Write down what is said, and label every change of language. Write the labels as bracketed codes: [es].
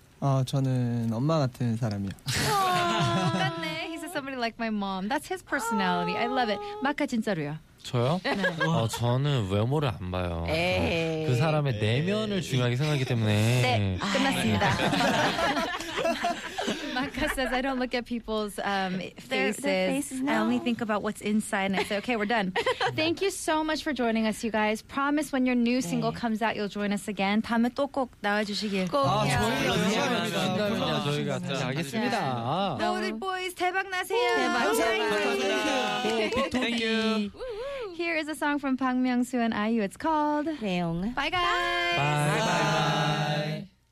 [ko] 저는 엄마 같은 사람이요. 맞네. [en] He said somebody like my mom. That's his personality. I love it. [ko] 마카 진짜로요? 저요? 저는 외모를 안 봐요. 에이. 그 사람의 에이. 내면을 중요하게 생각하기 때문에. 네. 끝났습니다. [en] Maka says, I don't look at people's faces. No. I only think about what's inside. And I say, okay, we're done. Thank you so much for joining us, you guys. Promise when your new single [ko] 네. [en] comes out, you'll join us again. [ko] 다음에 또 꼭 나와주시길. 꼭. 알겠습니다. 로드 보이즈 대박 나세요. 대박. [en] Thank you. Here is a song from 박명수 and IU. It's called [ko] 내용. [en] Bye, guys. Bye.